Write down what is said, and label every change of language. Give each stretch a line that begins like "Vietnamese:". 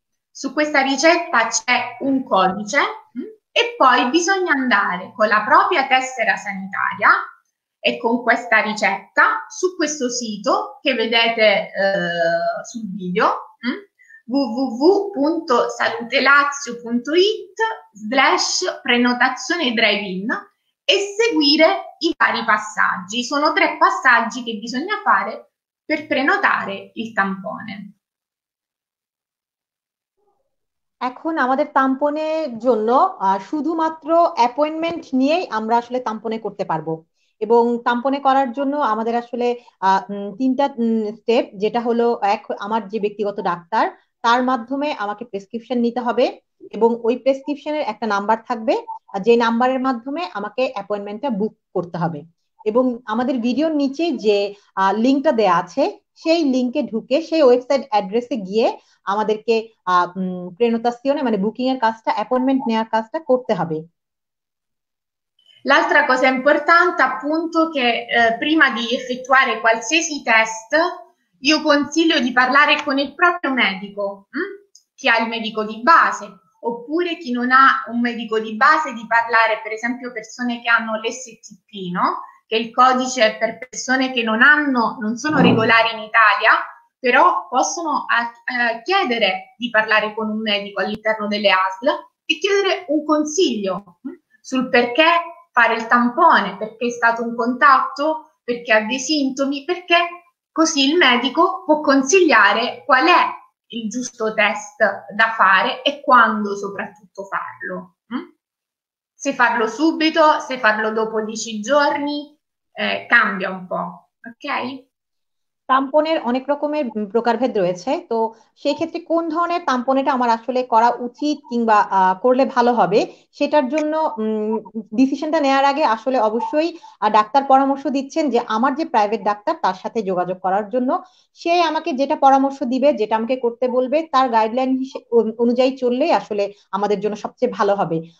Italian: Su questa ricetta c'è un codice, e poi bisogna andare con la propria tessera sanitaria e con questa ricetta su questo sito che vedete sul video, www.salutelazio.it/prenotazione drive-in, e seguire i vari passaggi. Sono tre passaggi che bisogna fare per prenotare il tampone.
Bangla: এখন আমাদের তাম্পনের জন্য শুধুমাত্র appointment নিয়েই আমরা আসলে তাম্পনে করতে পারবো, এবং তাম্পনে করার জন্য আমাদের আসলে তিনটা স্টেপ, যেটা হলো এক আমার যে ব্যক্তিগত ডাক্তার তার মাধ্যমে আমাকে প্রেসক্রিপশন নিতে হবে, এবং ওই প্রেসক্রিপশনের একটা নাম্বার থাকবে যে নাম্বারের মাধ্যমে আমাকে অ্যাপয়েন্টমেন্টটা বুক করতে হবে। এবং আমাদের ভিডিওর নিচে যে লিঙ্কটা দেয়া আছে সেই লিঙ্কে ঢুকে সেই ওয়েবসাইট অ্যাড্রেসে গিয়ে আমাদেরকে প্রেনোতাসিওনে মানে বুকিং এর কাজটা, অ্যাপয়েন্টমেন্ট নেওয়ার কাজটা করতে হবে।
Italian: L'altra cosa importante, appunto, che prima di effettuare qualsiasi test, io consiglio di parlare con il proprio medico, chi ha il medico di base, oppure chi non ha un medico di base, di parlare, per esempio, persone che hanno l'STP, no? Che è il codice per persone che non hanno, non sono regolari in Italia, però possono chiedere di parlare con un medico all'interno delle ASL e chiedere un consiglio sul perché fare il tampone, perché è stato un contatto, perché ha dei sintomi, perché così il medico può consigliare qual è il giusto test da fare e quando soprattutto farlo. Se farlo subito, se farlo dopo 10 giorni, cambia un po', ok?
Bangla: তাম্পনের অনেক রকমের প্রকারভেদ রয়েছে, তো সেই ক্ষেত্রে কোন ধরনের তাম্পনেটা আমার আসলে করা উচিত কিংবা করলে ভালো হবে সেটার জন্য ডিসিশনটা নেওয়ার আগে আসলে অবশ্যই ডাক্তার পরামর্শ দিচ্ছেন, যে আমার যে প্রাইভেট ডাক্তার তার সাথে যোগাযোগ করার জন্য, সে আমাকে যেটা পরামর্শ দিবে, যেটা আমাকে করতে বলবে, তার গাইডলাইন অনুযায়ী চললেই আসলে আমাদের জন্য সবচেয়ে ভালো হবে।